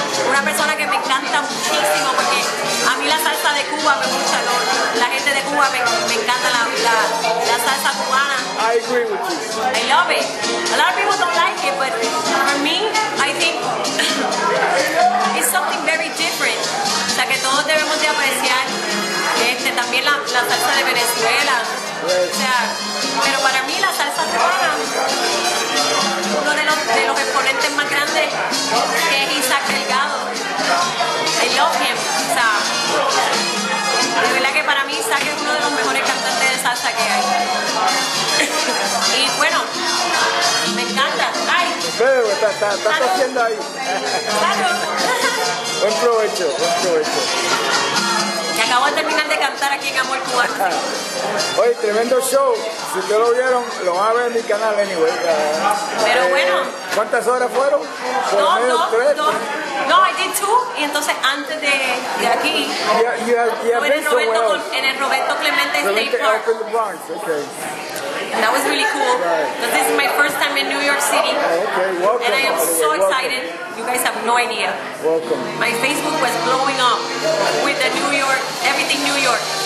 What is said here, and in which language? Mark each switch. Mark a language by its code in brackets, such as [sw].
[es] Una persona que me encanta muchísimo, porque a mí la salsa de Cuba me gusta, la gente de Cuba me encanta la salsa cubana. [en] I agree with you. I love it. A lot of people don't like it, but for me, I think it's something very different. [es] O sea, que todos debemos de apreciar también la salsa de Venezuela. O sea, pero para mí la salsa cubana, uno de los exponentes más grandes, que es Isaac Delgado. [en] I love him. [es] O sea, de verdad que para mí Isaac es uno de los mejores cantantes de salsa que hay. Y bueno, me encanta. Ay. Pero está haciendo ahí. Salud. Buen provecho. Acabo de terminar de cantar aquí en Amor Cubano. Oye, tremendo show. Si ustedes lo vieron, lo van a ver en mi canal, anyway. Pero bueno. ¿Cuántas horas fueron? [en] No, I did two. [es] Y entonces antes de aquí, en el Roberto Clemente State Park. [en] In the Bronx. Okay. And that was really cool. Right. This is my first time in New York City. Okay, welcome. And I am so excited. Welcome. You guys have no idea. Welcome. My Facebook was blowing up with the New York, everything New York.